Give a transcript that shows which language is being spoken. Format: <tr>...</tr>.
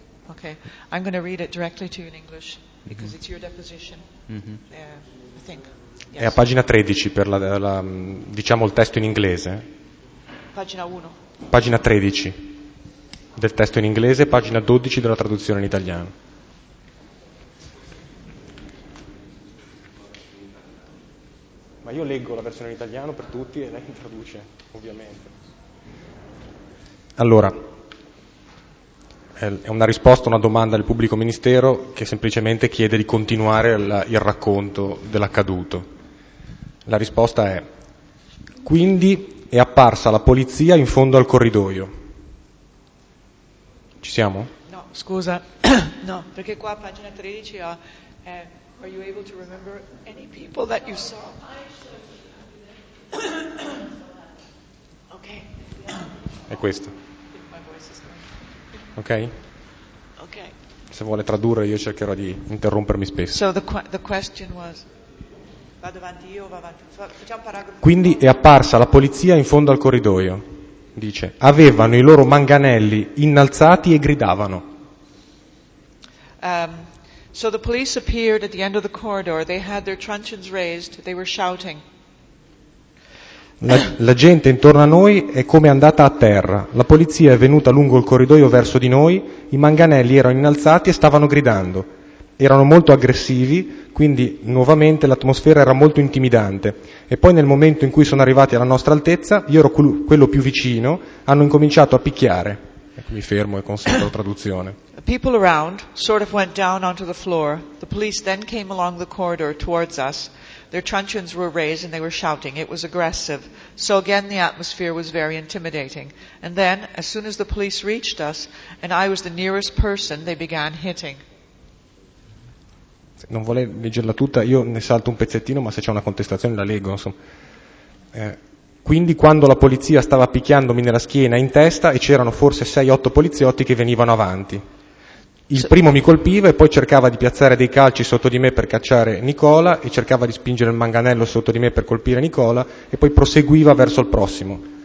<en>Okay, I'm going to read it directly to you in English because it's your deposition. I think. Yes.</en> <it>È a pagina 13 per la diciamo il testo in inglese. Pagina 1. Pagina 13 del testo in inglese, pagina 12 della traduzione in italiano. Ma io leggo la versione in italiano per tutti e lei traduce, ovviamente. Allora, è una risposta a una domanda del pubblico ministero che semplicemente chiede di continuare il racconto dell'accaduto. La risposta è: quindi è apparsa la polizia in fondo al corridoio. Ci siamo? No, scusa. No, perché qua a pagina 13 ho</it> <en>are you able to remember any people that you saw? Okay.</en> <it>È questo. Okay. Se vuole tradurre io cercherò di interrompermi spesso.</it> <en>So the question was,</en> <it>vado avanti io o va avanti? Facciamo un paragrafo. Quindi è apparsa la polizia in fondo al corridoio. Dice, avevano i loro manganelli innalzati e gridavano.</it> <en>So the police appeared at the end of the corridor. They had their truncheons raised. They were shouting.</en> <it>La gente intorno a noi è come andata a terra. La polizia è venuta lungo il corridoio verso di noi, i manganelli erano innalzati e stavano gridando. Erano molto aggressivi, quindi nuovamente l'atmosfera era molto intimidante. E poi nel momento in cui sono arrivati alla nostra altezza, io ero quello più vicino, hanno incominciato a picchiare. Ecco, mi fermo e consento la traduzione.</it> <en>The people around sort of went down onto the floor. The police then came along the corridor towards us. Their truncheons were raised and they were shouting. It was aggressive. So again, the atmosphere was very intimidating. And then, as soon as the police reached us, and I was the nearest person, they began hitting.</en> <it>Non vuole leggerla tutta, io ne salto un pezzettino, ma se c'è una contestazione la leggo, insomma. Quindi quando la polizia stava picchiandomi nella schiena in testa e c'erano forse 6-8 poliziotti che venivano avanti. Il primo mi colpiva e poi cercava di piazzare dei calci sotto di me per cacciare Nicola e cercava di spingere il manganello sotto di me per colpire Nicola e poi proseguiva verso il prossimo.</it>